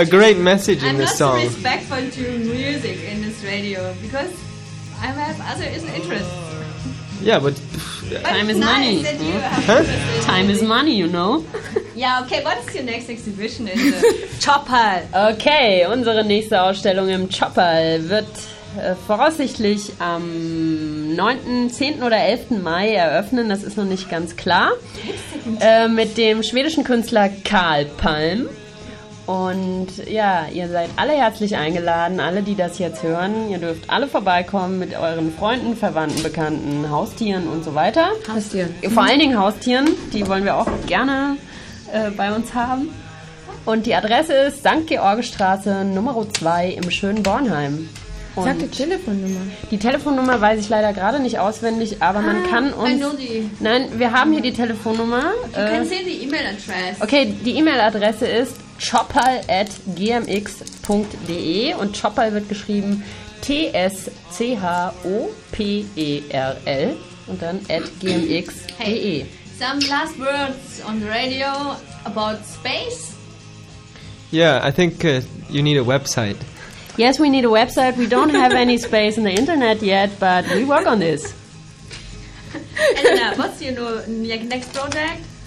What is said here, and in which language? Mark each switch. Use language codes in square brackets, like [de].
[en] a great message in this song. I'm not respectful to music in this radio because I have other interests. Yeah, but time is money. Nice that you have time is money, you know. Yeah, okay, what is your next exhibition in the Chopperl? [de] Okay, unsere nächste Ausstellung im Chopperl wird voraussichtlich am 9., 10. oder 11. Mai eröffnen, das ist noch nicht ganz klar, mit dem schwedischen Künstler Karl Palm. Und ja, ihr seid alle herzlich eingeladen, alle, die das jetzt hören. Ihr dürft alle vorbeikommen mit euren Freunden, Verwandten, Bekannten, Haustieren und so weiter. Haustieren. Vor allen Dingen Haustieren, die wollen wir auch gerne bei uns haben. Und die Adresse ist St. Georgestraße Nr. 2 im schönen Bornheim. Und sag die Telefonnummer. Die Telefonnummer weiß ich leider gerade nicht auswendig, aber man kann uns... Nein, wir haben hier die Telefonnummer. Du kannst hier die E-Mail-Adresse. Okay, die E-Mail-Adresse ist chopperl@gmx.de und Chopperl wird geschrieben T-S-C-H-O-P-E-R-L und dann @gmx.de. [en] Hey, some last words on the radio about space? Yeah, I think you need a website. Yes, we need a website. We don't have any space in the internet yet, but we work on this. Elena, what's your next project?